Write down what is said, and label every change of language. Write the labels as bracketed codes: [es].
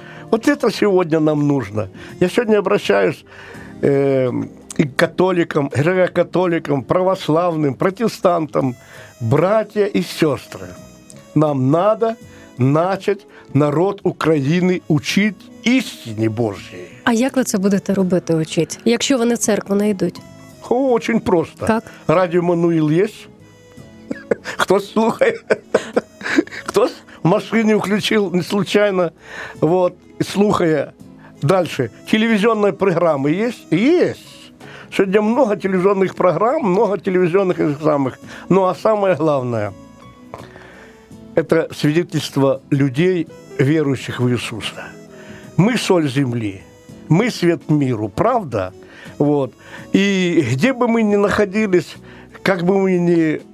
[ru] Вот это сегодня нам нужно. Я сегодня обращаюсь и к католикам, и к католикам, православным, протестантам, братья и сестры. Нам надо начать народ Украины учить истине Божьей. [uk] А як ви це будете робити, учить, якщо вони церкву не йдуть? [ru] О, очень просто. Как? [uk] Радіо Мануїл є? Хто слухає? Хто в машині включив [ru] не случайно? [uk] Вот, слухає. Дальше. Телевізійні програми є? Є. Сьогодні много телевізійних програм, много телевізійних самих. [ru] Ну, а самое главное – это свидетельство людей, верующих в Иисуса. Мы соль земли, мы свет миру, правда? Вот. И где бы мы ни находились, как бы мы ни...